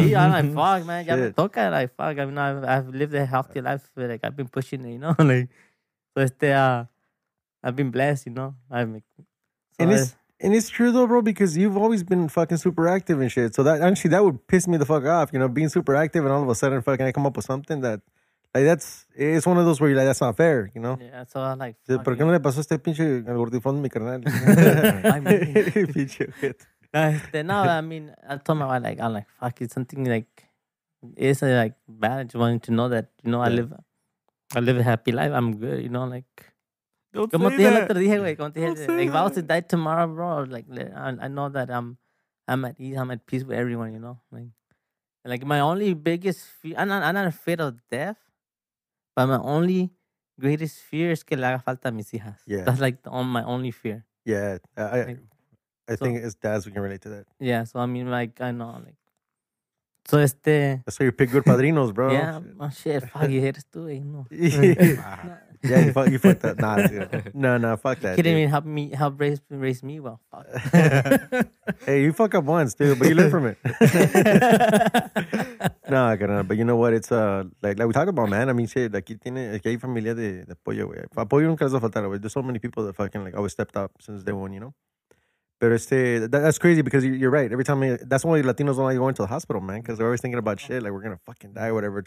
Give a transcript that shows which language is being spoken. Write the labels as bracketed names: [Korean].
[English] Yeah, I'm like, fuck, man, [Spanish] ya me toca, [English] like, fuck, I mean, I've lived a healthy life, but, like, I've been pushing it, you know, like, so I've been blessed, you know. It's true though, bro, because you've always been fucking super active and shit. So that actually would piss me the fuck off, you know, being super active and all of a sudden fucking I come up with something that Like, that's, it's one of those where you're like, that's not fair, you know? Yeah, so I'm like, fuck. [Spanish] ¿Por qué no le pasó este pinche al gordifón de mi carnal? Pinche [English] shit. No, I mean, I told my wife, like, I'm like, fuck, it's something like, it's like bad. I just wanted to know that, you know, yeah. I live a happy life. I'm good, you know, like. Don't [Spanish] como [English] say that. [Spanish] Dije, wey, como dije, [English] don't like, say if that. I was to die tomorrow, bro, like, I know that I'm at ease, I'm at peace with everyone, you know? Like my only biggest fear, I'm not afraid of death, but my only greatest fear is [Spanish] que le haga falta a mis hijas. [English] Yeah. That's like my only fear. Yeah, I think as dads we can relate to that. Yeah, so I mean, like, I know, like. So, este. That's why you pick good padrinos, bro. Yeah, my shit, fuck, you [Spanish] eres tú, wey, no. [English] Yeah, you fucked that. Nah, no, no, fuck that. He didn't even help raise me. Well, fuck. Hey, you fuck up once, dude, but you learn from it. No, I can't. But you know what? It's like we talk about, man. I mean, shit, [Spanish] aquí tiene, aquí hay familia de pollo, güey. Apoyo nunca les va a faltar, güey. [English] There's so many people that fucking like always stepped up since day one, you know? But [Spanish] este, [English] that's crazy because you're right. Every time, that's why Latinos don't like going to the hospital, man, because they're always thinking about shit, like we're going to fucking die, whatever.